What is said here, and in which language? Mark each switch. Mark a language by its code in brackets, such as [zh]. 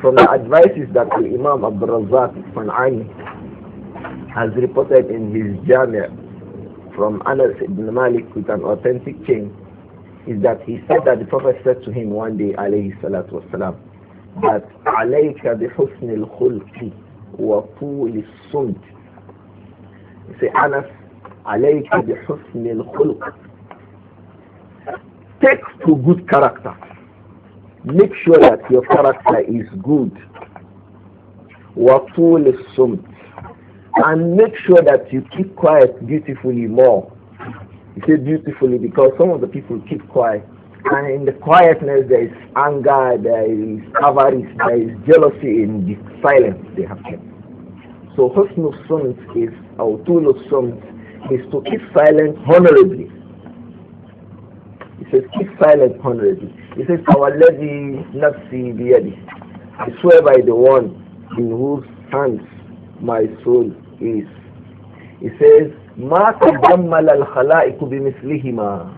[en] From the advices that the Imam Abdul Razzaq Sanani has reported in his Jami' from Anas ibn Malik with an authentic chain, is that he said that the Prophet said to him one day [ar] alayhi salatu wasalam, [en] that [ar] alayka bi husni al-khulqi wa tuli sumt. Say Anas, عليك بحسن الخلق. [en] Take to good character. Make sure that your character is good. [ar] وطول الصمت. [en] And make sure that you keep quiet beautifully more. You say beautifully because some of the people keep quiet. And in the quietness there is anger, there is avarice, there is jealousy in the silence they have kept. [ar] So حسن الصمت is وطول الصمت. [en] Is to keep silent honorably. He says, keep silent honorably. He says, [ar] Tawalladhi nafsi biyadi. [en] I swear by the one in whose hands my soul is. [ar] He says, Ma tajammala al-khala'iku bimislihima.